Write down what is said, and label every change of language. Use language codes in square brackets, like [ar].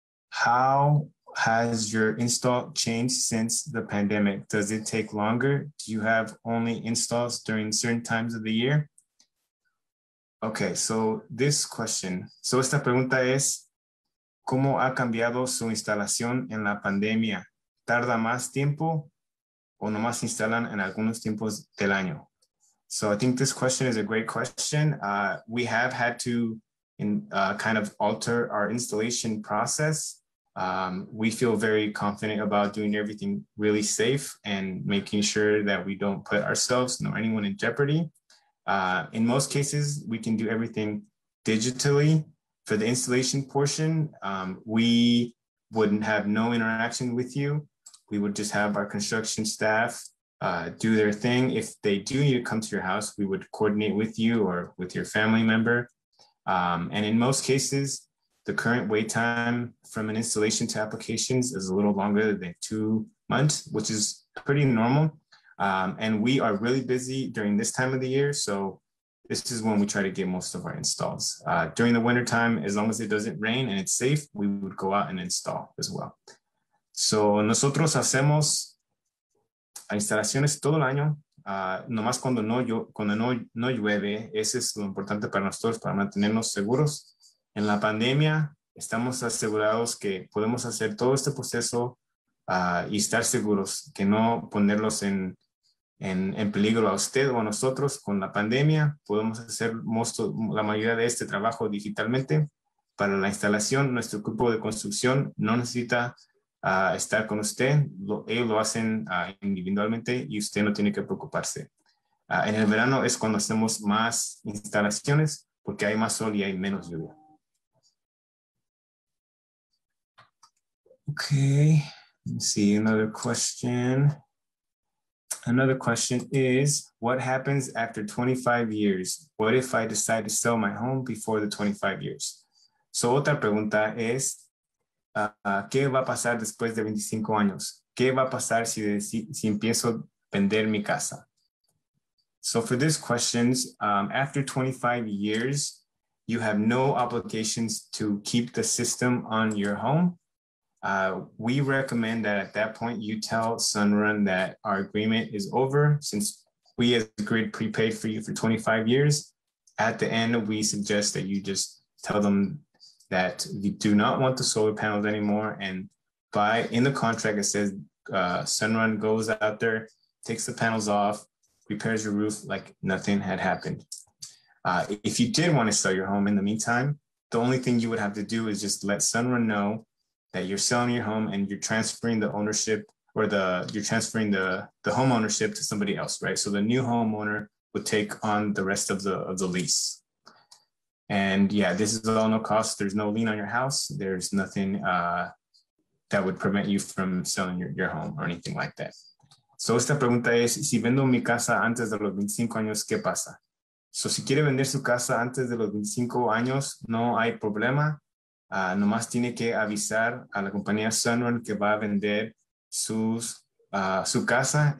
[en] How has your install changed since the pandemic? Does it take longer? Do you have only installs during certain times of the year? Okay, so this question. [es] So esta pregunta es, ¿cómo ha cambiado su instalación en la pandemia? ¿Tarda más tiempo o nomás instalan en algunos tiempos del año? [en] So I think this question is a great question. We have had to kind of alter our installation process. We feel very confident about doing everything really safe and making sure that we don't put ourselves nor anyone in jeopardy. In most cases, we can do everything digitally. For the installation portion, we wouldn't have no interaction with you. We would just have our construction staff do their thing. If they do need to come to your house, we would coordinate with you or with your family member. And in most cases, the current wait time from an installation to applications is a little longer than 2 months, which is pretty normal. And we are really busy during this time of the year. So this is when we try to get most of our installs. During the winter time, as long as it doesn't rain and it's safe, we would go out and install as well. [es] So nosotros hacemos instalaciones todo el año, nomás cuando no llueve. Eso es lo importante para nosotros, para mantenernos seguros. En la pandemia, estamos asegurados que podemos hacer todo este proceso y estar seguros, que no ponerlos en peligro a usted o a nosotros. Con la pandemia, podemos hacer la mayoría de este trabajo digitalmente. Para la instalación, nuestro grupo de construcción no necesita estar con usted. Ellos lo hacen individualmente y usted no tiene que preocuparse. En el verano es cuando hacemos más instalaciones porque hay más sol y hay menos lluvia. [en] Okay, let's see another question. Another question is, what happens after 25 years? What if I decide to sell my home before the 25 years? [es] So otra pregunta es, ¿qué va a pasar después de 25 años? ¿Qué va a pasar si empiezo a vender mi casa? [en] So for this question, after 25 years, you have no obligations to keep the system on your home. We recommend that at that point you tell Sunrun that our agreement is over, since we as Grid prepaid for you for 25 years. At the end, we suggest that you just tell them that you do not want the solar panels anymore. And by in the contract, it says Sunrun goes out there, takes the panels off, repairs your roof like nothing had happened. If you did want to sell your home in the meantime, the only thing you would have to do is just let Sunrun know that you're selling your home and you're transferring the ownership or the home ownership to somebody else, right? So the new homeowner would take on the rest of the lease. And yeah, this is all no cost. There's no lien on your house. There's nothing that would prevent you from selling your home or anything like that. [es] So esta pregunta es, si vendo mi casa antes de los 25 años, ¿qué pasa? So si quiere vender su casa antes de los 25 años, no hay problema. Nomás tiene que avisar a la compañía Sunrun que va a vender su casa.